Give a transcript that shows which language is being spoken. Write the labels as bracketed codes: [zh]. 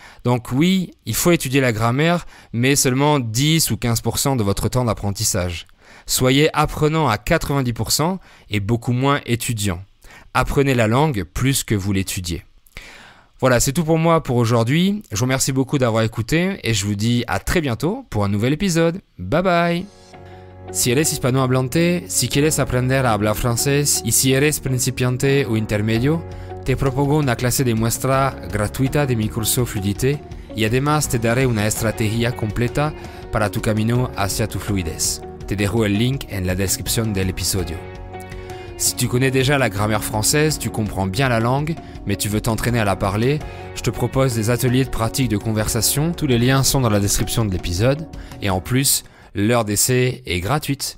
[fr] Donc oui, il faut étudier la grammaire, mais seulement 10 ou 15% de votre temps d'apprentissage. Soyez apprenant à 90% et beaucoup moins étudiant. Apprenez la langue plus que vous l'étudiez. Voilà, c'est tout pour moi pour aujourd'hui. Je vous remercie beaucoup d'avoir écouté et je vous dis à très bientôt pour un nouvel épisode. [en] Bye bye! [es] Si eres hispanohablante, si quieres aprender a hablar francés y si eres principiante o intermedio, te propongo una clase de muestra gratuita de mi curso Fluidité y además te daré una estrategia completa para tu camino hacia tu fluidez. Te dejo el link en la descripción del episodio. [fr] Si tu connais déjà la grammaire française, tu comprends bien la langue, mais tu veux t'entraîner à la parler, je te propose des ateliers de pratique de conversation. Tous les liens sont dans la description de l'épisode. Et en plus, l'heure d'essai est gratuite.